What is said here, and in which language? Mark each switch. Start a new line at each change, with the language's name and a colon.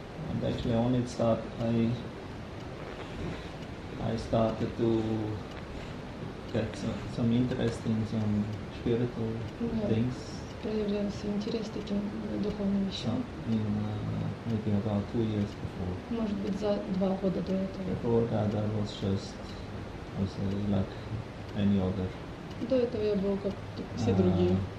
English: And actually, only start I started to get some interest in some spiritual things.
Russian: Появился интерес таким духовным вещам.
English: Maybe about 2 years before.
Russian: Может быть за 2 года до этого.
English: Before that, I was just, I say, like any other.
Russian: До этого я был как все другие.